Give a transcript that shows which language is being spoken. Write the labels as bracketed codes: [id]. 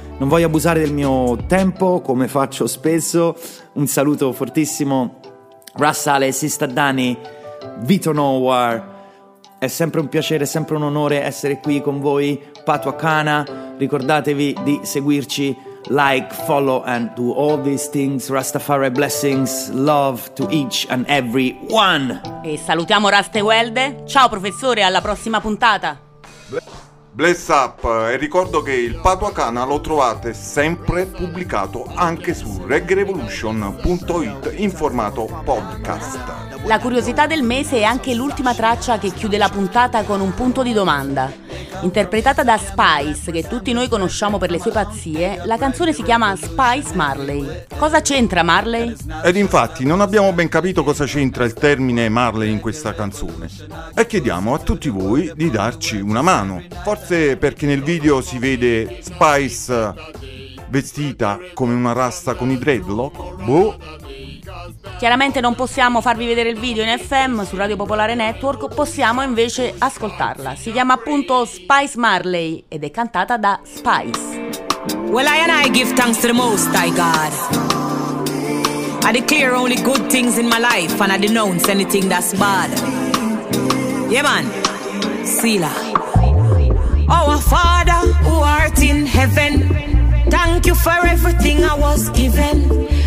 [it] Non voglio abusare del mio tempo, come faccio spesso. Un saluto fortissimo, Rassale, Sista Dani, Vito Nowar. È sempre un piacere, è sempre un onore essere qui con voi, Patuacana. Ricordatevi di seguirci, [en] like, follow and do all these things. Rastafari blessings, love to each and every one. [it] E salutiamo Raste Welde. Ciao professore, alla prossima puntata. [en] Bless up. [it] E ricordo che il Patuacana lo trovate sempre pubblicato anche su reggaerevolution.it in formato podcast. La curiosità del mese è anche l'ultima traccia che chiude la puntata con un punto di domanda. Interpretata da Spice, che tutti noi conosciamo per le sue pazzie, la canzone si chiama Spice Marley. Cosa c'entra Marley? Ed infatti non abbiamo ben capito cosa c'entra il termine Marley in questa canzone. E chiediamo a tutti voi di darci una mano. Forse perché nel video si vede Spice vestita come una rasta con i dreadlock? Boh! Chiaramente non possiamo farvi vedere il video in FM su Radio Popolare Network, possiamo invece ascoltarla. Si chiama appunto Spice Marley ed è cantata da Spice. [en] Well, I and I give thanks to the Most High God. I declare only good things in my life and I denounce anything that's bad. Yeah, man. Sila. Our Father who art in heaven, thank you for everything I was given.